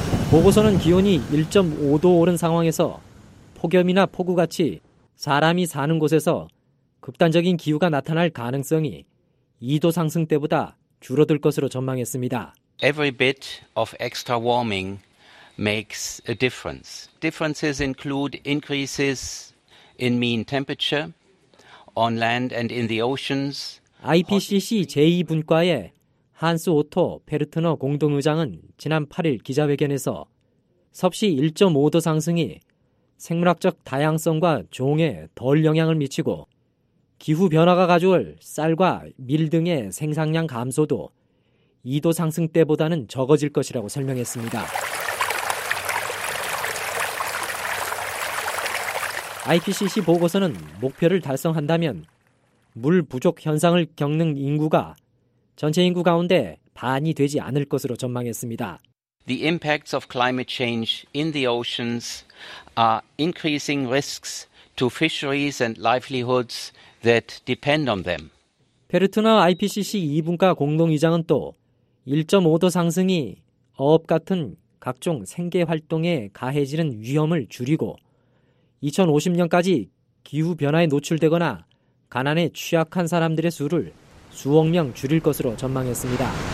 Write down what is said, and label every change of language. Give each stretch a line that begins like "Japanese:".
Korean: 보고서는 기온이 1.5도 오른 상황에서 폭염이나 폭우 같이 사람이 사는 곳에서 극단적인 기후가 나타날 가능성이 2도 상승 때보다 줄어들 것으로 전망했습니다.
English: Every bit of extra warming makes a difference. Differences include increases in mean temperature on land and in the oceans.
Korean: IPCC 제2분과의 한스 오토 페르트너 공동의장은 지난 8일 기자회견에서 섭씨 1.5도 상승이 생물학적 다양성과 종에 덜 영향을 미치고 기후 변화가 가져올 쌀과 밀 등의 생산량 감소도 2도 상승 때보다는 적어질 것이라고 설명했습니다. IPCC 보고서는 목표를 달성한다면 물 부족 현상을 겪는 인구가 전체 인구 가운데 반이 되지 않을 것으로 전망했습니다.
English: The impacts of climate change in the oceans are increasing risks to fisheries and livelihoods that depend on them.
Korean: 페르트너 IPCC 2분과 공동의장은 또 1.5도 상승이 어업 같은 각종 생계 활동에 가해지는 위험을 줄이고 2050년까지 기후 변화에 노출되거나 가난에 취약한 사람들의 수를 수억 명 줄일 것으로 전망했습니다.